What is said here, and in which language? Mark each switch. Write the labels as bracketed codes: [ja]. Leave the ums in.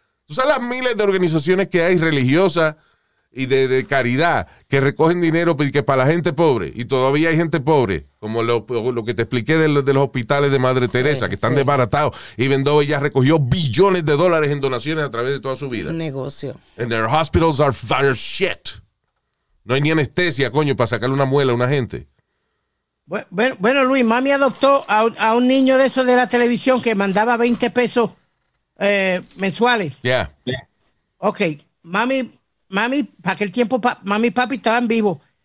[es] Tú sabes las miles de organizaciones que hay religiosas y de, de caridad que recogen dinero pa- que para la gente pobre y todavía hay gente pobre, como lo, lo que te expliqué de, los- de los hospitales de Madre Teresa que están sí. desbaratados y Vendoe ya recogió billones de dólares en donaciones a través de toda su vida. Un negocio. [en] And their hospitals are, are shit. [es] No hay ni anestesia, coño, para sacarle una muela a una gente. Bu- Bueno, bueno, Luis, mami adoptó a un, a un niño de esos de la televisión que mandaba 20 pesos eh, mensuales. [en] Yeah. [es] Ok, mami, mami, para aquel tiempo pa- mami y papi estaban vivos.